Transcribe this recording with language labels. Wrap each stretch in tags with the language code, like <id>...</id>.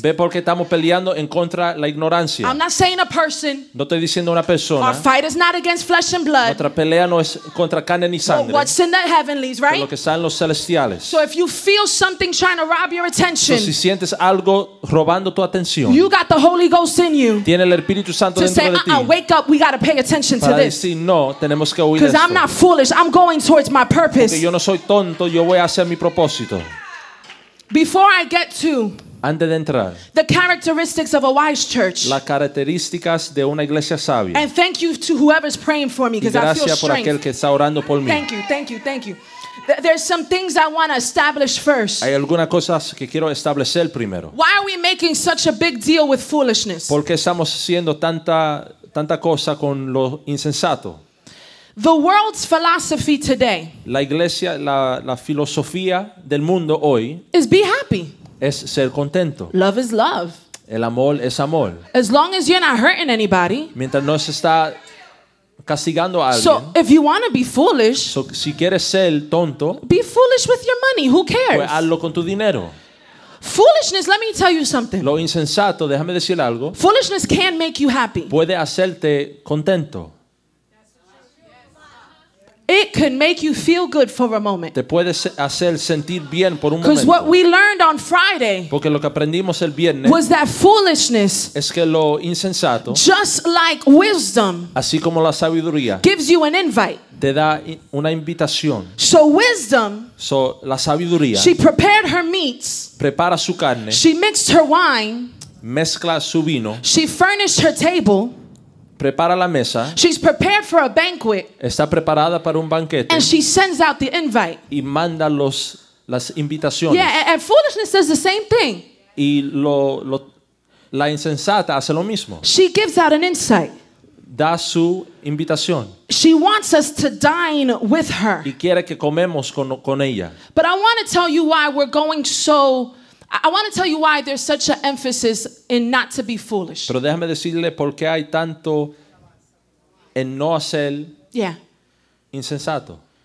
<es>Ve por qué estamos peleando en contra la ignorancia.</es> <en>I'm not saying a person.</en> <es>No estoy diciendo una persona.</es> <en>Our fight is not against flesh and blood.</en> <es>Nuestra pelea no es contra carne ni sangre.</es> <en>But what's in the heavenlies, right?</en> <es>Lo que está en los celestiales.</es> <en>So if you feel something trying to rob your attention,</en> <es>si sientes algo robando tu atención,</es> <en>you got the Holy Ghost in you.</en> <es>Tienes el Espíritu Santo dentro de ti.</es> <en>To say, wake up, we got to pay attention to this.</en> <es>Para decir no, tenemos que oír esto.</es> <en>Because I'm not foolish, I'm going towards my purpose.</en> <es>Porque yo no soy tonto, yo voy hacia mi propósito.</es> <en>Before I get to</en> <es>antes de entrar,</es> <en>the characteristics of a wise church,</en> <es>las características de una iglesia sabia,</es> <en>and thank you to whoever's praying for me because I feel strength.</en> <es>Por aquel que está orando por mí.</es> <en>Thank you. There's some things I want to establish first.</en> <es>Hay algunas cosas que quiero establecer primero.</es> <en>Why are we making such a big deal with foolishness?</en> <es>¿Por qué estamos haciendo tanta cosa con lo insensato?</es> <en>The world's philosophy today.</en> <es>La iglesia, la filosofía del mundo hoy.</es> <en>Is be happy.</en> <es>Es ser contento.</es> <en>Love is love.</en> <es>El amor es amor.</es> <en>As long as you're not hurting anybody.</en> <es>Mientras no se está castigando a alguien.</es> <en>So if you want to be foolish.</en> <es>So si quieres ser tonto.</es> <en>Be foolish with your money. Who cares?</en> <es>Pues hazlo con tu dinero.</es> <en>Foolishness, let me tell you something.</en> <es>Lo insensato, déjame decir algo.</es> <en>Foolishness can make you happy.</en> <es>Puede hacerte contento.</es> <en>It can make you feel good for a moment.</en> <es>Te puede hacer sentir bien por un momento.</es> <en>Because what we learned on Friday,</en> <es>porque lo que aprendimos el viernes,</es> <en>was that foolishness,</en> <es>es que lo insensato,</es> <en>just like wisdom,</en> <es>así como la sabiduría,</es> <en>gives you an invite,</en> <es>te da una invitación.</es> <en>So wisdom,</en> <es>so la sabiduría,</es> <en>she prepared her meats,</en> <es>prepara su carne,</es> <en>she mixed her wine,</en> <es>mezcla su vino,</es> <en>she furnished her table.</en> <es>Prepara la mesa.</es> <en>She's prepared for a banquet.</en> <es>Está preparada para un banquete.</es> <en>And she sends out the invite.</en> <es>Y manda las invitaciones.</es> <en>Yeah, and foolishness does the same thing.</en> <es>Y la insensata hace lo mismo.</es> <en>She gives out an insight.</en> <es>Da su invitación.</es> <en>She wants us to dine with her.</en> <es>Y quiere que comemos con ella.</es> <en>But I want to tell you why we're going so. I want to tell you why there's such an emphasis in not to be foolish.</en> <es>Pero déjame decirle por qué hay tanto en no hacer insensato.</es>